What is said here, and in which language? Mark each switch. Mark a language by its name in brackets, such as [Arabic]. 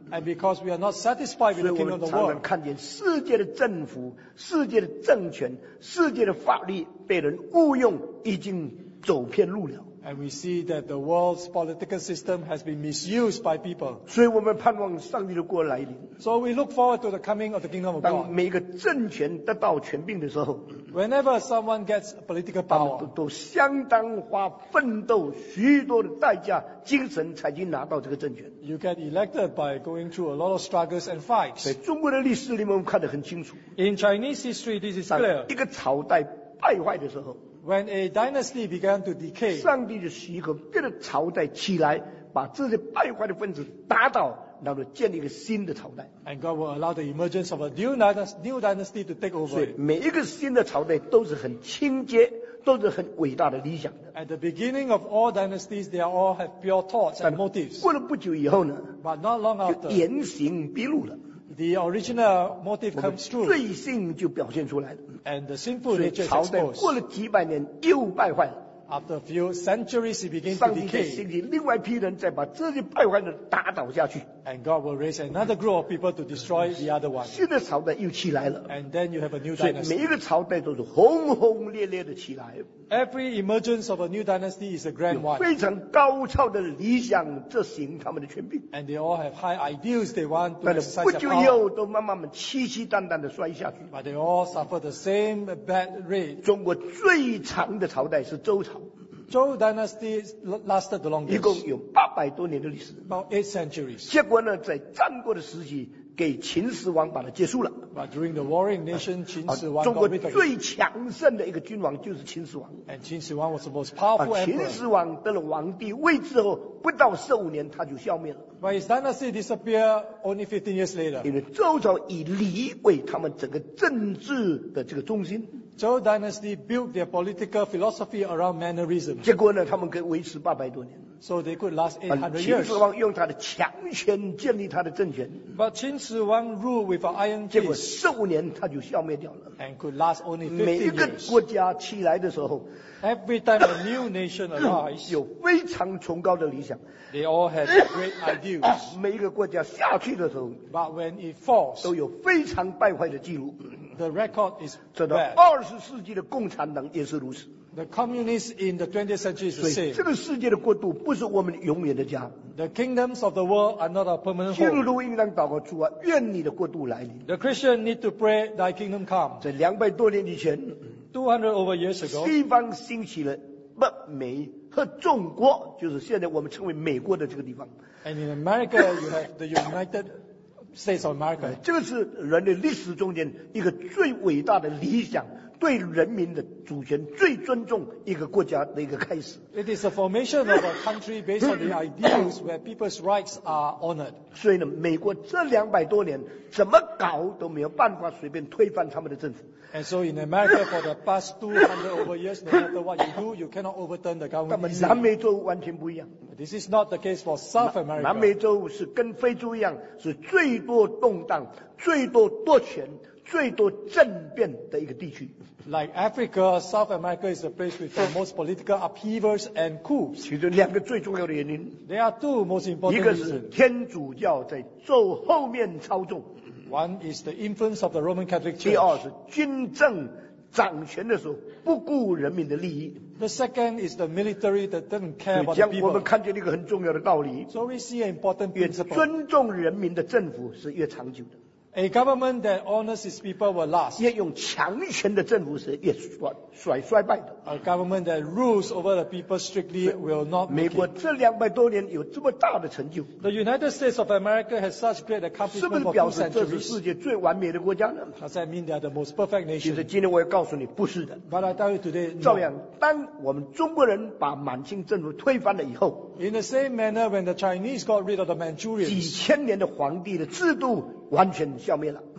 [English] And because we are not satisfied with the kingdom of the world. [Chinese] 所以我们常常看见世界的政府、世界的政权、世界的法律被人误用，已经走偏路了。 [English] And we see that the world's political system has been misused by people. [Chinese] 所以我们盼望上帝的国来临。 [English] So we look forward to the coming of the kingdom of God. [Chinese] 当每个政权得到权柄的时候 [English] ，Whenever someone gets political power, [Chinese] 都相当花奋斗许多的代价、精神才去拿到这个政权。 [English] You get elected by going through a lot of struggles and fights. [Chinese] 在中国的历史里面，我们看得很清楚。 [English] In Chinese history, this is clear. [Chinese] 一个朝代败坏的时候。 [English] When a dynasty began to decay, [Chinese] 上帝就许可别的朝代起来，把这些败坏的分子打倒，然后建立一个新的朝代。 [English] And God will allow the emergence of a new dynasty to take over. [Chinese] 所以每一个新的朝代都是很清洁，都是很伟大的理想的。 [English] At the beginning of all dynasties, they all have pure thoughts and motives. [Chinese] 过了不久以后呢 [English] ，But not long after, [Chinese] 就原形毕露了。 [English] The original motive comes true. [Chinese] 罪性就表现出来了。 [English] And the sinful nature exposed. [Chinese] 朝代过了几百年又败坏了。 [English] After a few centuries, it begins to decay. [Chinese] 上帝就兴起另外一批人，再把这些败坏的打倒下去。 [English] And God will raise another group of people to destroy the other one. [Chinese] 新的朝代又起来了。 [English] And then you have a new dynasty. [Chinese] 所以每一个朝代都是轰轰烈烈的起来。 [English] Every emergence of a new dynasty is a grand one. [Chinese] 非常高超的理想执行他们的权柄。 [English] And they all have high ideals they want to exercise their power. [Chinese] 不久以后都慢慢凄凄淡淡的摔下去。 [English] But they all suffer the same bad rate. [Chinese] 中国最长的朝代是周朝。 [English] Zhou dynasty lasted the longest. [Chinese] 一共有八百多年的历史。 [English] About eight centuries. [Chinese] 结果呢，在战国的时期，给秦始皇把它结束了。 [English] But during the warring nation, 秦始皇 [Chinese] 中国最强盛的一个君王就是秦始皇。 [English] And 秦始皇 was the most powerful emperor. [Chinese] 秦始皇得了皇帝位置后，不到十五年他就消灭了。 [English] But his dynasty disappeared only 15 years later. [Chinese] 因为周朝以礼为他们整个政治的这个中心。 [English] Zhou dynasty built their political philosophy around mannerism. [Chinese] 结果呢，他们可以维持八百多年。 [English] So they could last 800 years. [Chinese] 秦始皇用他的强权建立他的政权。 [English] But 秦始皇 rule with an iron fist. [Chinese] 结果十五年他就消灭掉了。 [English] And could last only 15 years. [Chinese] 每一个国家起来的时候 [English] ，Every time a new nation arises, [Chinese] 有非常崇高的理想。 [English] They all had great ideals. [Chinese] 每一个国家下去的时候 [English] ，But when it falls, [Chinese] 都有非常败坏的记录。 [English] The record is bad. [Chinese] 这到二十世纪的共产党也是如此。 [English] The communists in the 20th century is the same. [Chinese] 这个世界的国度不是我们永远的家。 [English] The kingdoms of the world are not a permanent home. [Chinese] 基督徒应当祷告主啊，愿你的国度来临。 [English] The Christian need to pray, Thy kingdom come. [Chinese] 在两百多年以前 [English] ，200 over years ago, [Chinese] 西方兴起了北美和中国，就是现在我们称为美国的这个地方。 [English] And in America, you have the United States of America. [Chinese] 这个是人类历史中间一个最伟大的理想。对人民的主权最尊重一个国家的一个开始。 [English] It is a formation of a country based on the ideals where people's rights are honored. [Chinese] 所以呢，美国这两百多年怎么搞都没有办法随便推翻他们的政府。 [English] And so in America for the past 200 over years, no matter what you do, you cannot overturn the government. [Chinese] 他们南美洲完全不一样。 [English] This is not the case for South America. [Chinese] 南美洲是跟非洲一样，是最多动荡、最多夺权。最多政变的一个地区。 [English] Like Africa, South America is a place with the most political upheavals and coups. [Chinese] 其中两个最重要的原因。 [English] There are two most important reasons. [Chinese] 一个是天主教在咒后面操纵。 [English] One is the influence of the Roman Catholic Church. [Chinese] 第二是军政掌权的时候不顾人民的利益。 [English] The second is the military that doesn't care about the people. [Chinese] 所以将我们看见一个很重要的道理。 [English] So we see an important principle. [Chinese] 越尊重人民的政府是越长久的。 [English] A government that honors its people will last. [Chinese] 越用强权的政府是越衰败的。 [English] A government that rules over the people strictly will not make it. [Chinese] 美国这两百多年有这么大的成就。 [English] The United States of America has such great accomplishment for 2 centuries. [Chinese] 是不是表示这是世界最完美的国家呢？ [English] Does that mean they are the most perfect nation? [Chinese] 其实今天我要告诉你，不是的。 [English] But I tell you today, [Chinese] 照样，当我们中国人把满清政府推翻了以后， [English] In the same manner, when the Chinese got rid of the Manchurians, [Chinese] 几千年的皇帝的制度完全消灭了。